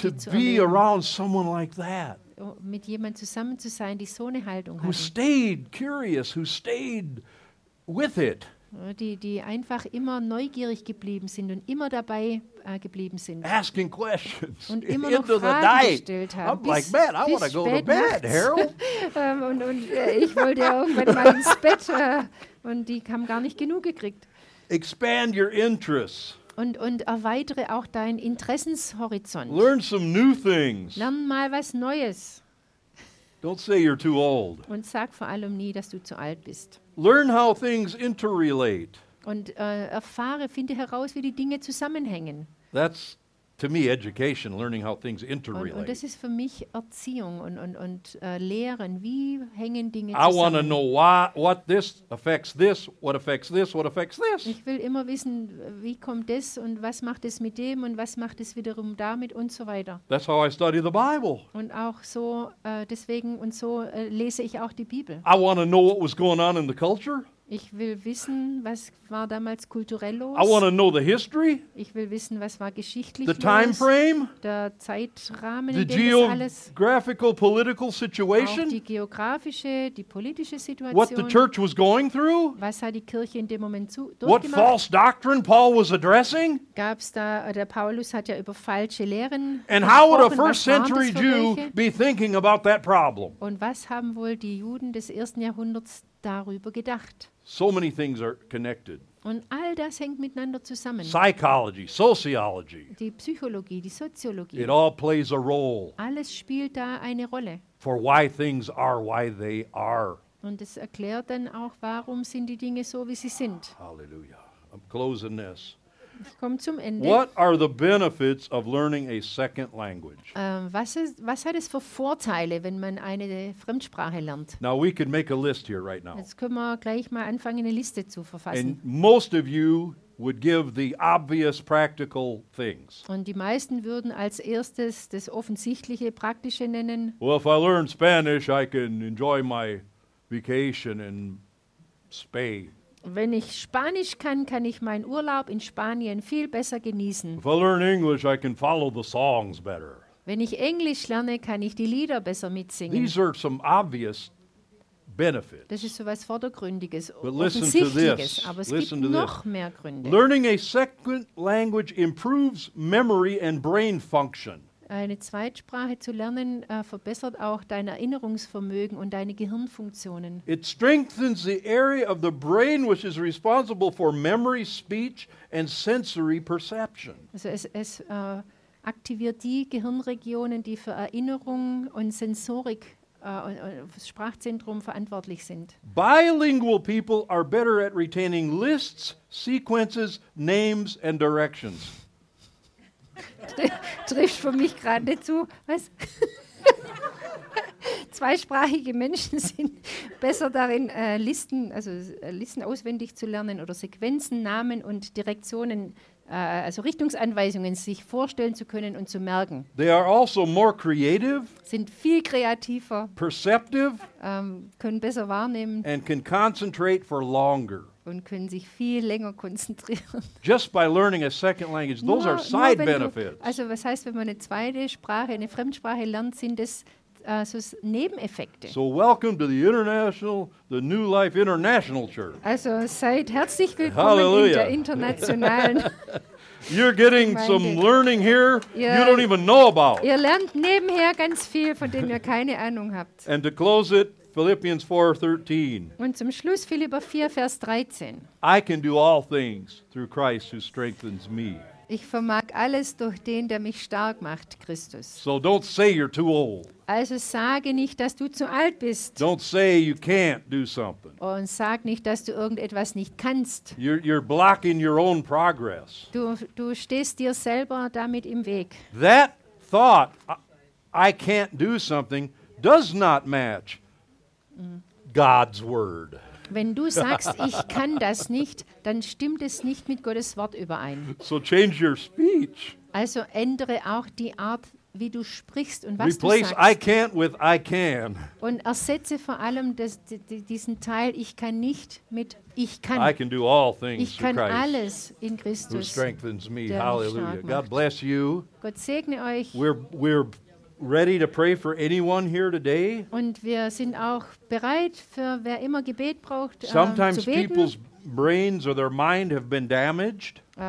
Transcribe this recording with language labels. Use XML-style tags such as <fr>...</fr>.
<en>to be around someone like that,</en> <de>mit jemandem zusammen zu sein, die so eine Haltung</de> <en>who</en> <de>hatte.</de> <en>Stayed curious, who stayed with it.</en> <de>Die einfach immer neugierig geblieben sind und immer dabei geblieben sind.</de> <en>Asking questions</en> <de>und immer noch Fragen gestellt haben.</de> <en>I'm like, man, I want to go to bed, Harold.</en> <de>ich wollte irgendwann mal ins Bett und die haben gar nicht genug gekriegt.</de> <en>Expand your interests.</en> <de>Und erweitere auch deinen Interessenshorizont.</de> <en>Learn some new things.</en> <de>Lern mal was Neues.</de> <en>Don't say you're too old.</en> <de>Und sag vor allem nie, dass du zu alt bist.</de> <en>Learn how things interrelate.</en> <de>Und erfahre, finde heraus, wie die Dinge zusammenhängen.</de> <en>That's to me education, learning how things interrelate.</en> <de>Und das ist für mich Erziehung und lehren, wie hängen Dinge</de> <en>I</en> <de>zusammen.</de> <en>I want to know what this affects this, what affects this, what affects this.</en> <de>Ich will immer wissen, wie kommt das und was macht es mit dem und was macht es wiederum damit und so weiter.</de> <en>That's how I study the Bible.</en> <de>Und auch so deswegen und so lese ich auch die Bibel.</de> <en>I want to know what was going on in the culture.</en> <de>Ich will wissen, was war damals kulturell los.</de> <en>I want to know the history.</en> <de>Ich will wissen, was war geschichtlich</de> <en>the</en> <de>los.</de> <en>The time frame.</en> <de>Der Zeitrahmen,</de> <en>the</en> <de>in dem das alles.</de> <en>The geographical, political situation.</en> <de>Auch die geografische, die politische Situation.</de> <en>What the church was going through.</en> <de>Was hat die Kirche in dem Moment durchgemacht?</de> <en>What false doctrine Paul was addressing.</en> <de>Gab's da, der Paulus hat ja über falsche Lehren gesprochen.</de> <en>And how would a first century Jew be thinking about that problem?</en> <de>Und was haben wohl die Juden des ersten Jahrhunderts darüber gedacht?</de> <en>So many things are connected.</en> <de>Und all das hängt miteinander zusammen.</de> <en>Psychology, sociology.</en> <de>Die Psychologie, die Soziologie.</de> <en>It all plays a role.</en> <de>Alles spielt da eine Rolle.</de> <en>For why things are why they are.</en> <de>Und es erklärt dann auch, warum sind die Dinge so, wie sie sind.</de> <en>Hallelujah. I'm closing this.</en> <de>Ich komme zum Ende.</de> <en>What are the benefits of learning a second language?</en> <de>Was hat es für Vorteile, wenn man eine Fremdsprache lernt?</de> <en>Now we can make a list here right now.</en> <de>Jetzt können wir gleich mal anfangen, eine Liste zu verfassen.</de> <en>And most of you would give the obvious practical things.</en> <de>Und die meisten würden als erstes das offensichtliche praktische nennen.</de> <en>Well, if I learn Spanish, I can enjoy my vacation in Spain.</en> <de>Wenn ich Spanisch kann, kann ich meinen Urlaub in Spanien viel besser genießen.</de> <en>If I learn English, I can follow the songs better.</en> <de>Wenn ich Englisch lerne, kann ich die Lieder besser mitsingen.</de> <en>These are some obvious benefits.</en> <de>Das ist so was Vordergründiges, Offensichtliches, aber es</de> <en>listen</en> <de>gibt noch mehr Gründe.</de> <en>Learning a second language improves memory and brain function.</en> <de>Eine Zweitsprache zu lernen verbessert auch dein Erinnerungsvermögen und deine Gehirnfunktionen.</de> <en>It strengthens the area of the brain which is responsible for memory, speech and sensory perception.</en> <de>Also es aktiviert die Gehirnregionen, die für Erinnerung und Sensorik Sprachzentrum verantwortlich sind.</de> <en>Bilingual people are better at retaining lists, sequences, names and directions.</en> <de>Trifft für mich gerade zu. Was? Zweisprachige Menschen sind besser darin, Listen auswendig zu lernen oder Sequenzen, Namen und Direktionen, also Richtungsanweisungen, sich vorstellen zu können und zu merken.</de> <en>They are also more creative,</en> <de>sind viel kreativer,</de> <en>perceptive,</en> <de>können besser wahrnehmen</de> <en>and can concentrate for longer.</en> <de>Und können sich viel länger konzentrieren.</de> <en>Just by learning a second language, those are side benefits.</en> <de>Also was heißt, wenn man eine zweite Sprache, eine Fremdsprache lernt, sind das so Nebeneffekte.</de> <en>So welcome to the International, the New Life International Church.</en> <de>Also seid herzlich willkommen. Hallelujah. In der internationalen.</de> <en>You're getting some learning here you don't even know about.</en> <de>Ihr lernt nebenher ganz viel, von dem ihr keine Ahnung habt.</de> <en>And to close it, Philippians 4:13.</en> <de>Und zum Schluss Philipper 4, Vers 13.</de> <en>I can do all things through Christ who strengthens me.</en> <de>Ich vermag alles durch den, der mich stark macht, Christus.</de> <en>So don't say you're too old.</en> <de>Also sage nicht, dass du zu alt bist.</de> <en>Don't say you can't do something.</en> <de>Und sag nicht, dass du irgendetwas nicht kannst.</de> <en>You're blocking your own progress.</en> <de>Du stehst dir selber damit im Weg.</de> <en>That thought, I can't do something, does not match God's word.</en> <de>Wenn du sagst, ich kann das nicht, dann stimmt es nicht mit Gottes Wort überein.</de> <en>So change your speech.</en> <de>Also ändere auch die Art, wie du sprichst und was</de> <en>Replace</en> <de>du sagst.</de> <en>I can't with I can.</en> <de>Und ersetze vor allem diesen Teil, ich kann nicht, mit ich kann.</de> <en>I can do all things</en> <de>ich kann</de> <en>Christ,</en> <de>alles in Christus,</de> <en>who strengthens me. Hallelujah. God bless you.</en> <de>Gott segne euch.</de> <en>We're ready to pray for anyone here today.</en> <de>Und wir sind auch bereit für wer immer Gebet braucht,</de> <en>sometimes</en> <de>zu beten.</de> <en>People's brains or their mind have been damaged.</en>